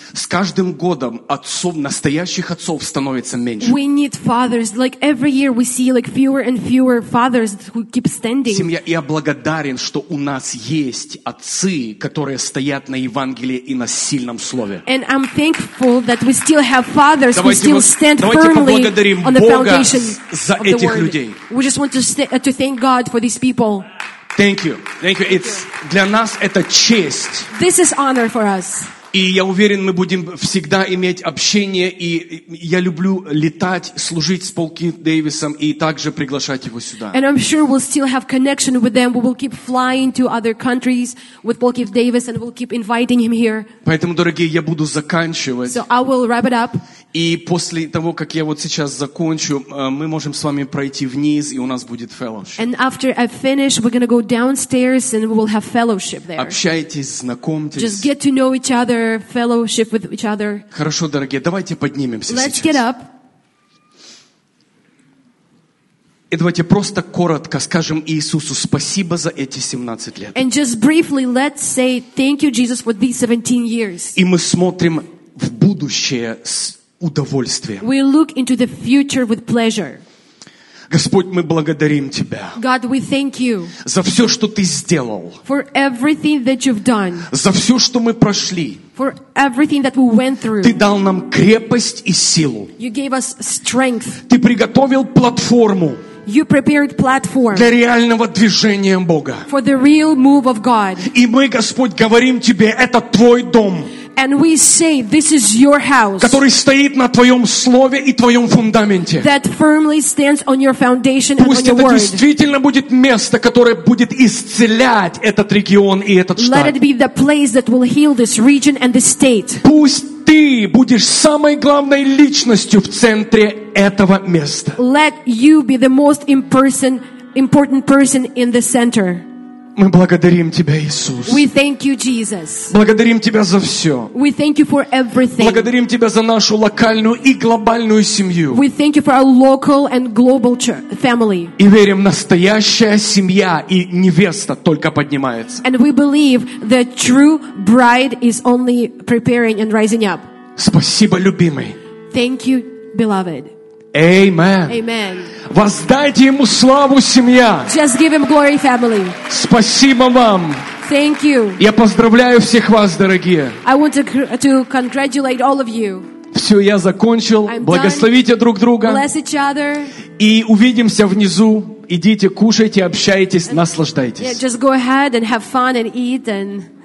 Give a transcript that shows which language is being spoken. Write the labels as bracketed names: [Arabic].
[Russian] С каждым годом отцов, настоящих отцов становится меньше. [English] We need fathers. Like every year we see like fewer and fewer fathers who keep standing. [Russian] Семья, я благодарен, что у нас есть отцы, которые стоят на Евангелии и на сильном слове. [English] And I'm thankful that we still have fathers who still stand firmly on the foundation [Russian] за этих людей. [English] We just want to thank God for these people. Thank you. Thank you. It's [Russian] для нас это честь. [English] This is honor for us. [Russian] И я уверен, мы будем всегда иметь общение, и я люблю летать, служить с Пол Кит Дэвисом и также приглашать его сюда. [English] And I'm sure we'll still have connection with them. We will keep flying to other countries with Paul Keith Davis and we'll keep inviting him here. [Russian] Поэтому, дорогие, я буду заканчивать. [English] So I will wrap it up. [Russian] И после того, как я вот сейчас закончу, мы можем с вами пройти вниз, и у нас будет fellowship. [English] And after I finish, we're going to go downstairs and we will have fellowship there. [Russian] Общайтесь, знакомьтесь. [English] Just get to know each other, fellowship with each other. [Russian] Хорошо, дорогие, давайте поднимемся [English] Let's [Russian] сейчас. [English] Get up. [Russian] И давайте просто коротко скажем Иисусу спасибо за эти 17 лет. [English] And just briefly, let's say thank you, Jesus, for these 17 years. [Russian] И мы смотрим в будущее с удовольствие. [English] We look into the future with pleasure. [Russian] Господь, мы благодарим Тебя. [English] God, we thank you. [Russian] За все, что Ты сделал. [English] For everything that you've done. [Russian] За все, что мы прошли. [English] For everything that we went through. [Russian] Ты дал нам крепость и силу. [English] You gave us strength. [Russian] Ты приготовил платформу. [English] You prepared platform [Russian] для реального движения Бога. [English] For the real move of God. [Russian] И мы, Господь, говорим Тебе, это Твой дом. [English] And we say, this is your house. [Russian] Который стоит на твоем слове и твоем фундаменте. [English] That firmly stands on your foundation and on your word. [Russian] Пусть это действительно будет место, которое будет исцелять этот регион и этот штат. [English] Let it be the place that will heal this region and the state. [Russian] Пусть ты будешь самой главной личностью в центре этого места. [English] Let you be the most important person in the center. [Russian] Мы благодарим Тебя, Иисус. [English] We thank you, Jesus. [Russian] Благодарим Тебя за все. [English] We thank you for everything. [Russian] Благодарим Тебя за нашу локальную и глобальную семью. [English] We thank you for our local and global family. [Russian] И верим, настоящая семья и невеста только поднимается. [English] And we believe the true bride is only preparing and rising up. [Russian] Спасибо, любимый. [English] Thank you, beloved. Amen. Amen. [Russian] Воздайте ему славу, семья. [English] Just give him glory, family. [Russian] Спасибо вам. [English] Thank you. [Russian] Я поздравляю всех вас, дорогие. [English] I want to congratulate all of you. [Russian] Все, я закончил. [English] I'm [Russian] Благословите [English] done. [Russian] Друг друга. [English] Bless each other. [Russian] И увидимся внизу. Идите, кушайте, общайтесь, наслаждайтесь. [English] Yeah, just go ahead and have fun and eat and